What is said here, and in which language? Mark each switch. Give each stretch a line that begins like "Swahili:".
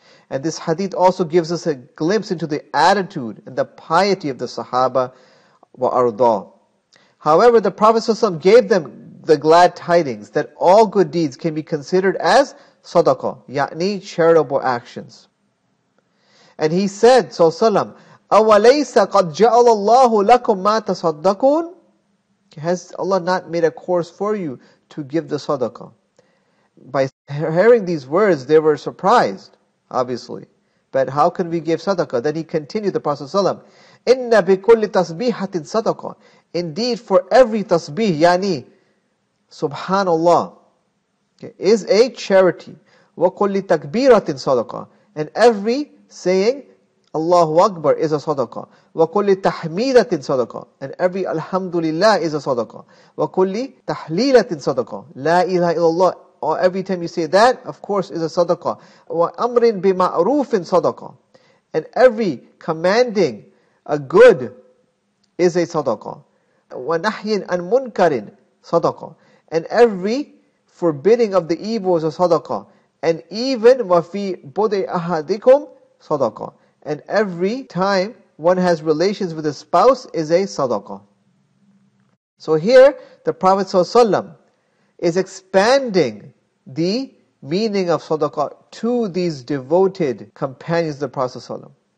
English: And this hadith also gives us a glimpse into the attitude and the piety of the Sahaba wa arda. However, the Prophet ﷺ gave them the glad tidings that all good deeds can be considered as sadaqah, ya'ni charitable actions. And he said,
Arabic: ﷺ, أَوَلَيْسَ قَدْ جَعَلَ اللَّهُ لَكُمْ مَا تَصَدَّقُونَ?
English: Has Allah not made a course for you to give the sadaqah? By hearing these words, they were surprised, obviously. But how can we give sadaqah? Then he continued, the Prophet ﷺ,
Arabic: إِنَّ بِكُلِّ تَصْبِيحَةٍ صَدَقَةٍ.
English: Indeed, for every tasbih, yani, subhanallah, okay, is a charity.
Arabic: وَكُلِّ تَكْبِيرَةٍ صَدَقَةٍ.
English: And every saying, Allahu Akbar, is a sadaqah.
Arabic: وَكُلِّ تَحْمِيدَةٍ صَدَقَةٍ.
English: And every alhamdulillah is a sadaqah.
Arabic: وَكُلِّ تَحْلِيلَةٍ صَدَقَةٍ. La ilaha illallah.
English: Or every time you say that, of course, is a sadaqah.
Arabic: وَأَمْرٍ بِمَعْرُوفٍ صَدَقَةٍ.
English: And every commanding a good is a sadaqah.
Arabic: وَنَحْيٍ أَنْ مُنْكَرٍ صَدَقَةٍ.
English: And every forbidding of the evil is a sadaqah. And even
Arabic: وَفِي بُدْءِ أَحَدِكُمْ صَدَقَةً.
English: And every time one has relations with his spouse is a sadaqah. So here, the Prophet ﷺ is expanding the meaning of sadaqah to these devoted companions of the Prophet ﷺ.